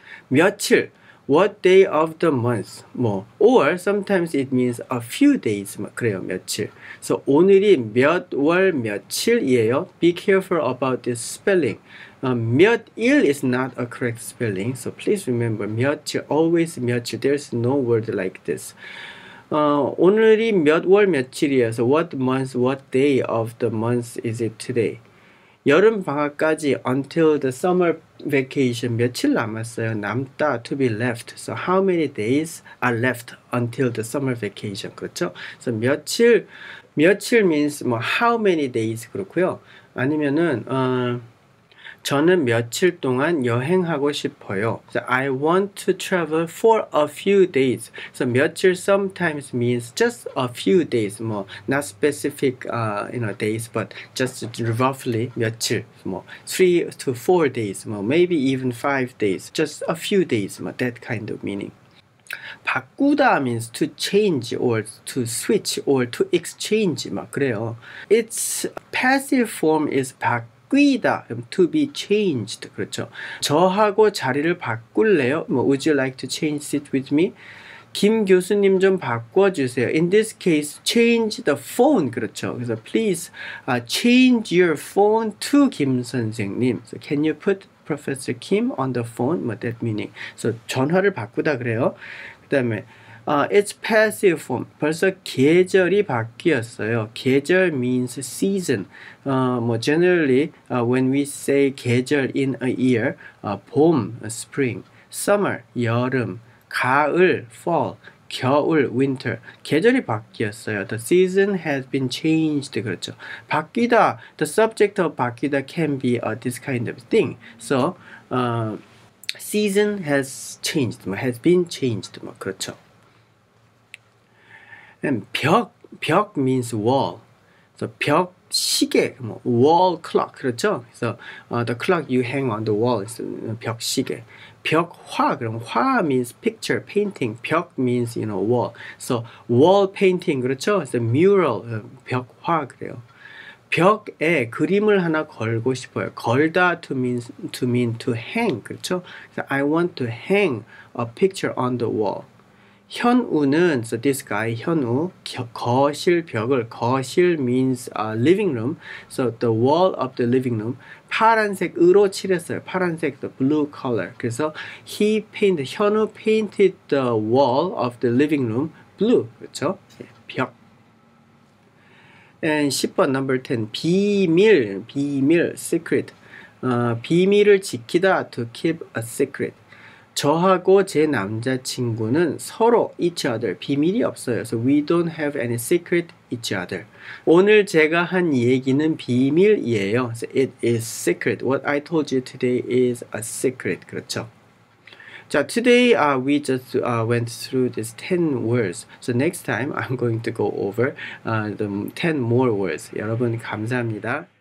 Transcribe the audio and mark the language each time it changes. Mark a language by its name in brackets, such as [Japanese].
[English] 며칠. What day of the month? 뭐, or sometimes it means a few days. 뭐, 그래요, 며칠. [Korean] So 오늘이 몇 월 며칠이에요? [English] Be careful about this spelling. 몇일 is not a correct spelling. So please remember 며칠, always 며칠. There's no word like this. [Korean] 오늘이 몇 월 며칠이에요? [English] So what month, what day of the month is it today? [Korean] 여름 방학까지 [English] until the summer vacation [Korean] 며칠 남았어요? [English] 남다 to be left. So how many days are left until the summer vacation? 그렇죠? So 며칠, 며칠 means 뭐 how many days 그렇고요. [Korean] 아니면은 저는 며칠 동안 여행하고 싶어요. [English] So I want to travel for a few days. So 며칠 sometimes means just a few days. 뭐 not specific you know days but just roughly 며칠. 뭐 3 to 4 days. 뭐 maybe even 5 days. Just a few days. 뭐 that kind of meaning. 바꾸다 means to change or to switch or to exchange 막 그래요. Its passive form is 바꾸다. 바꾸다, to be changed, 그렇죠. [Korean] 저하고 자리를 바꿀래요? [English] 뭐, would you like to change seat with me? [Korean] 김 교수님 좀 바꿔주세요. [English] In this case, change the phone, 그렇죠. 그래서 please change your phone to 김 선생님. So, can you put Professor Kim on the phone? What that meaning? [Korean] So, 전화를 바꾸다 그래요. [English] 그 다음에 it's passive form. [Korean] 벌써 계절이 바뀌었어요. [English] 계절 means season. Generally, when we say 계절 in a year, 봄, spring, summer, 여름, 가을, fall, 겨울, winter. [Korean] 계절이 바뀌었어요. [English] The season has been changed. 그렇죠. 바뀌다, the subject of 바뀌다 can be this kind of thing. So, season has changed, has been changed. 그렇죠. And 벽, 벽 means wall. So 벽 시계, 뭐, wall clock, 그렇죠? So the clock you hang on the wall is 벽 시계. 벽화, 그럼 화 means picture, painting. 벽 means, you know, wall. So wall painting, 그렇죠? It's a mural, 벽화 그래요. [Korean] 벽에 그림을 하나 걸고 싶어요. [English] 걸다 to means, to mean to hang, 그렇죠? So I want to hang a picture on the wall. 현우는, so this guy, 현우, 거실 벽을, 거실 means living room, so the wall of the living room, [Korean] 파란색으로 칠했어요. [English] 파란색, the blue color. 그래서 he painted, 현우 painted the wall of the living room blue, 그렇죠? 예, 벽. And 10번, number 10, 비밀, 비밀, secret. [Korean] 비밀을 지키다, [English] to keep a secret. [Korean] 저하고 제 남자친구는 서로 each other 비밀이 없어요. [English] So we don't have any secret each other. [Korean] 오늘 제가 한 얘기는 비밀이에요. [English] So it is secret. What I told you today is a secret. [Korean] 그렇죠? [English] 자, today we just went through these 10 words. So next time I'm going to go over the 10 more words. [Korean] 여러분 감사합니다.